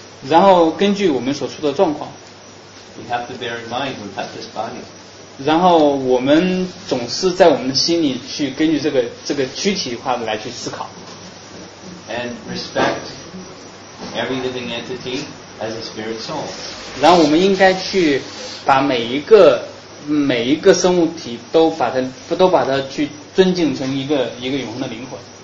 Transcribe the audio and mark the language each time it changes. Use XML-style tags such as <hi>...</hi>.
<zh>然后根据我们所处的状况。</zh> <en>We have to bear in mind we have this body.</en> <zh>然后我们总是在我们的心里去根据这个躯体化的来去思考。</zh> <en>And respect every living entity as a spirit soul.</en> <zh>然后我们应该去把每一个生物体都把它去尊敬成一个永恒的灵魂。</zh>